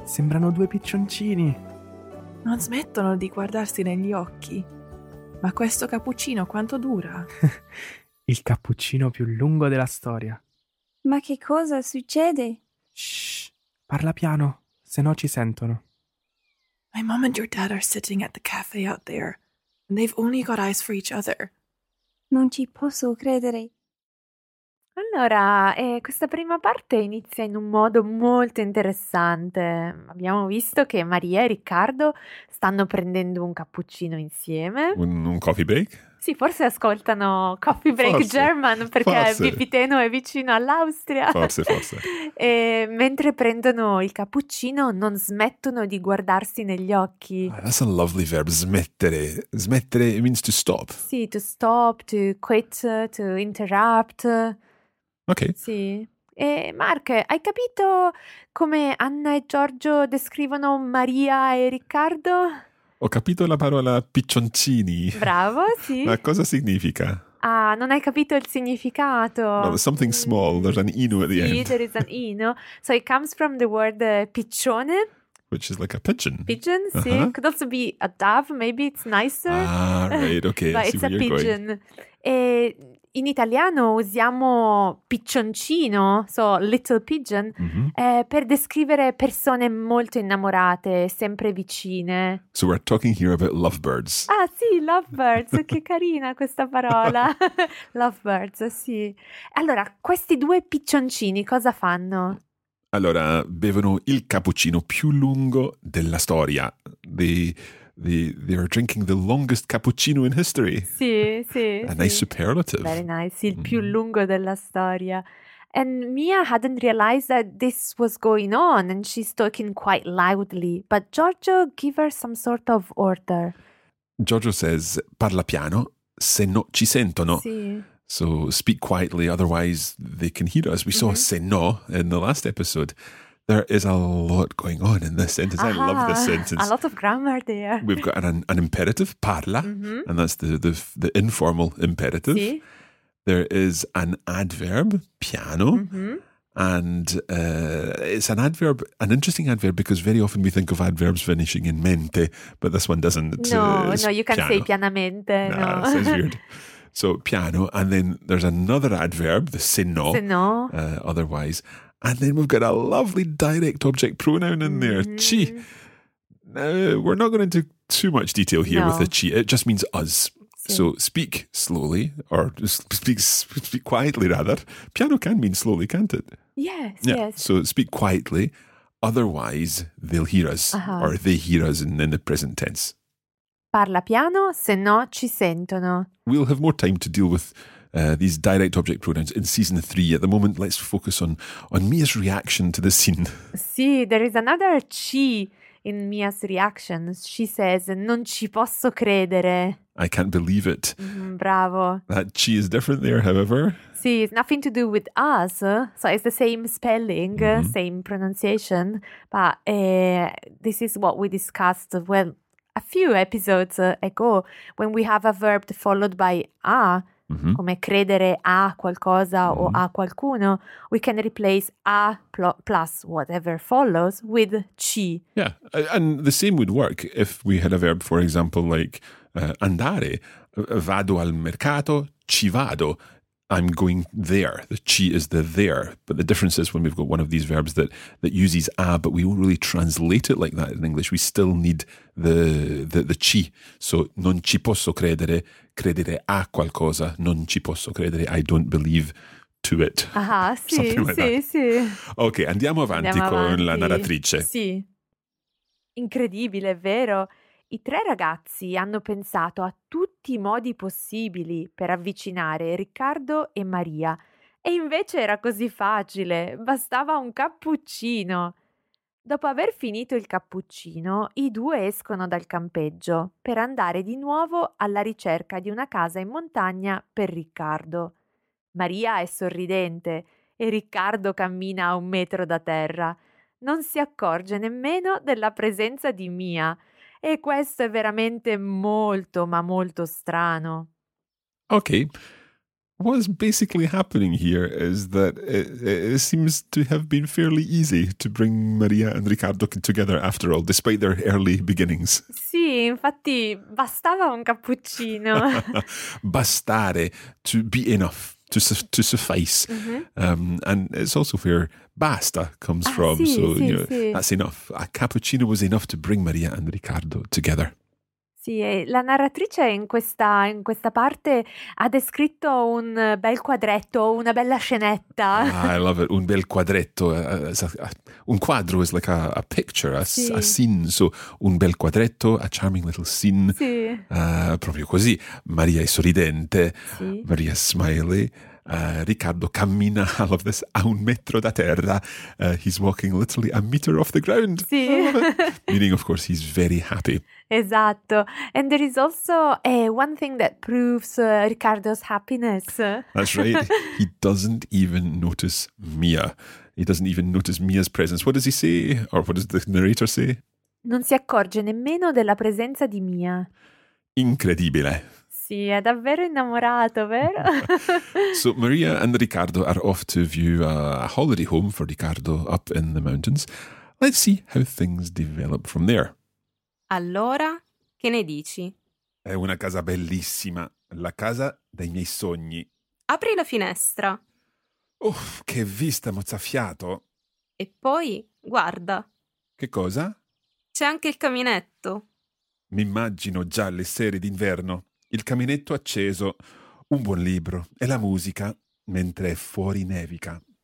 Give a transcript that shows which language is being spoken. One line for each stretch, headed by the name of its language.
Italian: Sembrano due piccioncini! Non smettono di guardarsi negli occhi. Ma questo cappuccino quanto dura? Il cappuccino più lungo della storia. Ma che cosa succede? Shh! Parla piano, sennò ci sentono.
English: My mom and your dad are sitting at the cafe out there, and they've only got eyes for each other.
Italian: Non ci posso credere. Allora, questa prima parte inizia in un modo molto interessante. Abbiamo visto che Maria e Riccardo stanno prendendo un cappuccino insieme. Un coffee break? Sì, forse ascoltano Coffee Break forse, German perché Bipiteno è vicino all'Austria. Forse. E mentre prendono il cappuccino non smettono di guardarsi negli occhi.
English: Oh, that's a lovely verb, smettere. Smettere means to stop.
Italian: Sì,
English: to stop, to quit, to interrupt. Ok.
Italian: Sì. E Mark, hai capito come Anna e Giorgio descrivono Maria e Riccardo? Ho capito la parola piccioncini. Bravo, sì. Ma cosa significa? Ah, non hai capito il significato.
English: No, something small, there's an inu at the end.
Italian: Sì,
English: there is an inu. So it comes from the word piccione. Which is like a pigeon. Pigeon,
Italian: sì.
English: Uh-huh. Could also be a dove, maybe it's nicer. Ah, right, okay. But it's a pigeon.
Italian: E in italiano usiamo piccioncino,
English: so little pigeon, mm-hmm.
Italian: Per descrivere persone molto innamorate, sempre vicine.
English: So we're talking here about lovebirds.
Italian: Ah sì, lovebirds, che carina questa parola. Lovebirds, sì. Allora, questi due piccioncini cosa fanno? Allora, bevono il cappuccino più lungo della storia.
English: They are drinking the longest cappuccino in history.
Italian: Sì, sì.
English: A nice superlative. Very nice.
Italian: Il più lungo della storia.
English: And Mia hadn't realized that this was going on and she's talking quite loudly. But Giorgio gave her some sort of order. Giorgio says,
Italian: parla piano, se no ci sentono. Sì.
English: So speak quietly, otherwise they can hear us. We saw mm-hmm. say no in the last episode. There is a lot going on in this sentence. Aha, I love this sentence. A lot of grammar there. We've got an imperative, parla, mm-hmm. and that's the informal imperative.
Italian: Sí.
English: There is an adverb, piano, mm-hmm. and it's an adverb, an interesting adverb, because very often we think of adverbs finishing in mente, but this one doesn't. No, you can't say pianamente. Nah, no, it sounds weird. So piano, and then there's another adverb, the se no. Otherwise. And then we've got a lovely direct object pronoun in there, mm-hmm. chi. We're not going into too much detail here with the chi. It just means us.
Italian: Sí.
English: So speak slowly, or speak quietly rather. Piano can mean slowly, can't it? Yes. So speak quietly, otherwise they'll hear us, uh-huh. or they hear us in the present tense.
Italian: Parla piano, se no ci sentono.
English: We'll have more time to deal with these direct object pronouns in season 3. At the moment, let's focus on Mia's reaction to the scene.
Italian: Sì,
English: there is another ci in Mia's reaction. She says,
Italian: non ci posso credere.
English: I can't believe it.
Italian: Bravo.
English: That ci is different there, however.
Italian: Sì,
English: it's nothing to do with us. So it's the same spelling, mm-hmm. same pronunciation. But this is what we discussed when... A few episodes ago, when we have a verb followed by a, mm-hmm.
Italian: come credere a qualcosa mm-hmm. o a qualcuno, we can replace a plus whatever follows with ci.
English: Yeah, and the same would work if we had a verb, for example, like andare.
Italian: Vado al mercato, ci vado.
English: I'm going there. The ci is the there. But the difference is when we've got one of these verbs that uses a, but we won't really translate it like that in English. We still need the ci. So
Italian: non ci posso credere, credere a qualcosa. Non ci posso credere,
English: I don't believe to it. Aha, sì, something like sì, that. Sì.
Italian: Ok, andiamo avanti con la narratrice. Sì. Incredibile, vero? I tre ragazzi hanno pensato a tutti i modi possibili per avvicinare Riccardo e Maria. E invece era così facile, bastava un cappuccino. Dopo aver finito il cappuccino, i due escono dal campeggio per andare di nuovo alla ricerca di una casa in montagna per Riccardo. Maria è sorridente e Riccardo cammina a un metro da terra. Non si accorge nemmeno della presenza di Mia. E questo è veramente molto, ma molto strano.
English: Okay. What's basically happening here is that it seems to have been fairly easy to bring Maria and Riccardo together after all, despite their early beginnings.
Italian: Sì, infatti bastava un cappuccino.
English: Bastare, to be enough, to suffice. Mm-hmm. And it's also where basta comes from.
Italian: Sì,
English: so
Italian: sì,
English: you know,
Italian: sì.
English: That's enough. A cappuccino was enough to bring Maria and Riccardo together.
Italian: Sì, la narratrice in questa parte ha descritto un bel quadretto, una bella scenetta.
English: Ah, I love it.
Italian: Un bel quadretto.
English: Un quadro is like a picture, a scene. So
Italian: un bel quadretto,
English: a charming little scene.
Italian: Sì. Proprio così. Maria è sorridente. Sì. Maria smiley. Riccardo cammina,
English: I love this,
Italian: a un metro da terra.
English: He's walking literally a meter off the ground.
Italian: Sì.
English: Meaning, of course, he's very happy.
Italian: Esatto.
English: And there is also one thing that proves Riccardo's happiness. That's right. He doesn't even notice Mia. He doesn't even notice Mia's presence. What does he say? Or what does the narrator say?
Italian: Non si accorge nemmeno della presenza di Mia. Incredibile. Sì, è davvero innamorato, vero?
English: So Maria and Riccardo are off to view a holiday home for Riccardo up in the mountains. Let's see how things develop from there.
Italian: Allora, che ne dici? È una casa bellissima, la casa dei miei sogni. Apri la finestra. Uff, che vista, mozzafiato! E poi, guarda. Che cosa? C'è anche il caminetto. Mi immagino già le sere d'inverno, il caminetto acceso, un buon libro e la musica mentre è fuori nevica.